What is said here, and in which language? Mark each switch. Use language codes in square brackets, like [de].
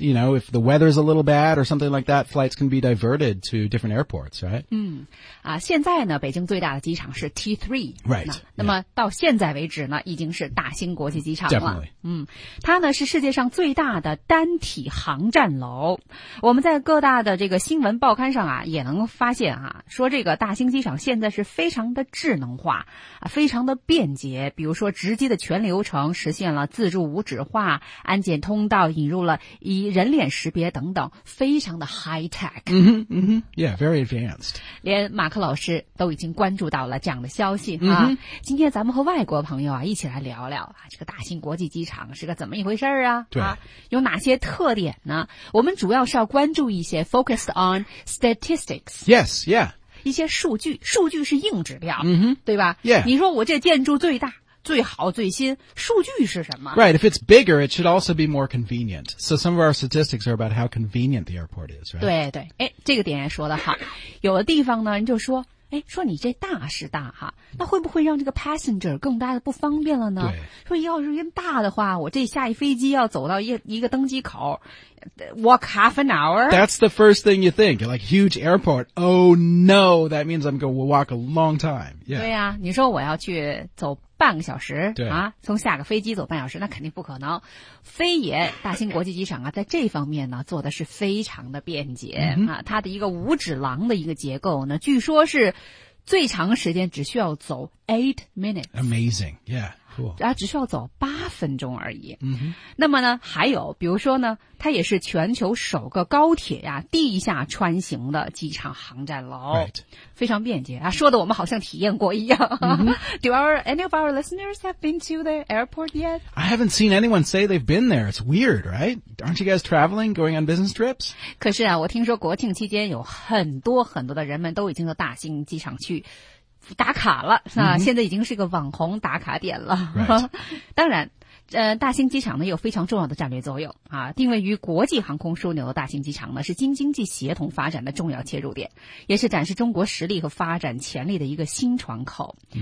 [en] You know, if the weather's a little bad or something like that, flights can be diverted to different airports, right? [zh] 现在呢，北京最大的机场是 T3. [en] Right. [zh] 那么到现在为止呢，已经是大兴国际机场了。 [en] Definitely. [zh] 它呢是世界上最大的单体航站楼。我们在各大的这个新闻报刊上啊，也能发现啊，说这个大兴机场现在是非常的智能化，非常的便捷。比如说直接的全流程实现了自助无纸化，安检通道引入了以人脸识别等等，非常的 [en] high tech。 Yeah, very advanced. [zh] 连马克老师都已经关注到了这样的消息哈。今天咱们和外国朋友啊一起来聊聊啊，这个大兴国际机场是个怎么一回事啊？对啊，有哪些特点呢？我们主要是要关注一些 [en] focused on statistics. Yes, yeah. [zh] 一些数据，数据是硬指标，对吧 [en] ？Yeah. [zh] 你说我这建筑最大。最好最新数据是什么 [en] ？Right, if it's bigger, it should also be more convenient. So some of our statistics are about how convenient the airport is, right? [zh] 对对，哎，这个点说的好。有的地方呢，人就说，哎，说你这大是大哈，那会不会让这个 passenger 更大的不方便了呢？对，说要是大的话，我这下一飞机要走到一个登机口。 [en] Walk half an hour. That's the first thing you think. Like huge airport. Oh no, that means I'm going to walk a long time. Yeah. [zh] 对呀、啊，你说我要去走半个小时对啊，从下个飞机走半小时，那肯定不可能。非也，大兴国际机场啊，在这方面呢，做的是非常的便捷、啊。它的一个五指廊的一个结构呢，据说是最长时间只需要走 [en] 8 minutes. Amazing. Yeah. Cool. [zh] 啊，只需要走8分钟而已。 Mm-hmm. 那么呢，还有比如说呢，它也是全球首个高铁呀、地下穿行的机场航站楼， [en] right. [zh] 非常便捷啊，说的我们好像体验过一样。 [en] Do any of our listeners have been to the airport yet? I haven't seen anyone say they've been there. It's weird, right? Aren't you guys traveling, going on business trips? [zh] 可是啊，我听说国庆期间有很多很多的人们都已经到大兴机场去。打卡了啊、现在已经是个网红打卡点了。 [en] Right. [zh] 当然大兴机场呢有非常重要的战略作用啊，定位于国际航空枢纽的大兴机场呢是京津冀协同发展的重要切入点，也是展示中国实力和发展潜力的一个新窗口。